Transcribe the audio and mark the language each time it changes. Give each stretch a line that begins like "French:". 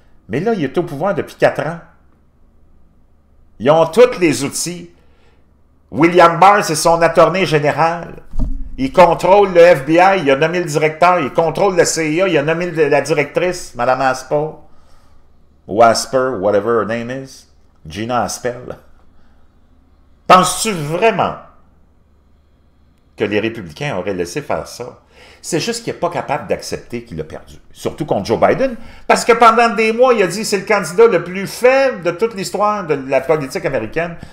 French: Mais là, il est au pouvoir depuis 4 ans. Ils ont tous les outils. William Barr, c'est son attorney général. Il contrôle le FBI, il a nommé le directeur, il contrôle la CIA, il a nommé la directrice, Mme Aspo.
English: Wasper, whatever her name is. Gina Haspel.
French: Penses-tu vraiment que les Républicains auraient laissé faire ça? C'est juste qu'il n'est pas capable d'accepter qu'il a perdu. Surtout contre Joe Biden. Parce que pendant des mois, il a dit c'est le candidat le plus faible de toute l'histoire de la politique américaine.